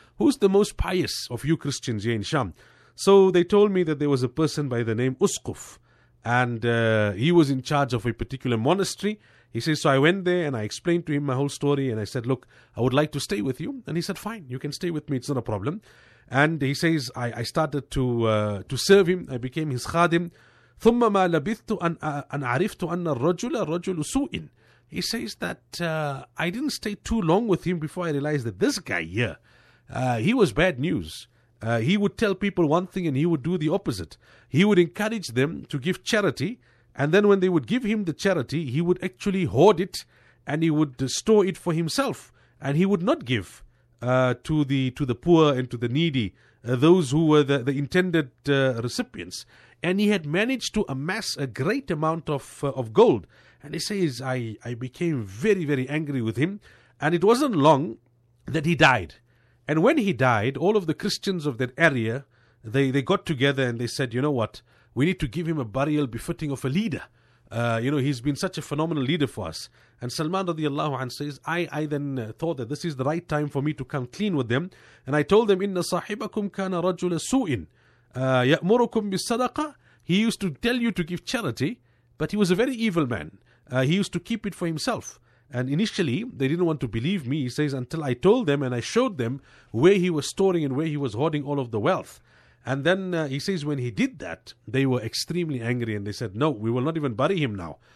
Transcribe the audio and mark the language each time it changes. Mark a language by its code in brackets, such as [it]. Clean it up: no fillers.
[en] Who's the most pious of you Christians here in Sham? So they told me that there was a person by the name Usquf, and he was in charge of a particular monastery. He says, so I went there and I explained to him my whole story and I said, look, I would like to stay with you. And he said, fine, you can stay with me, it's not a problem. And he says, I started to serve him. I became his khadim. [ar] ثم ما لبثت أن عرفت أن الرجل رجل سوء. [en] He says that I didn't stay too long with him before I realized that this guy here, he was bad news. He would tell people one thing and he would do the opposite. He would encourage them to give charity. And then when they would give him the charity, he would actually hoard it and he would store it for himself. And he would not give to the poor and to the needy, those who were the intended recipients. And he had managed to amass a great amount of gold. And he says, I became very, very angry with him. And it wasn't long that he died. And when he died, all of the Christians of that area, they got together and they said, you know what, we need to give him a burial befitting of a leader. You know, he's been such a phenomenal leader for us. And Salman radiallahu anhu says, I then thought that this is the right time for me to come clean with them. And I told them, [ar] إِنَّ صَاحِبَكُمْ كَانَ رَجُلَ سُوءٍ يَأْمُرُكُمْ بِالصَّدَقَةِ. [en] He used to tell you to give charity, but he was a very evil man. He used to keep it for himself. And initially, they didn't want to believe me, he says, until I told them and I showed them where he was storing and where he was hoarding all of the wealth. And then he says, when he did that, they were extremely angry and they said, no, we will not even bury him now.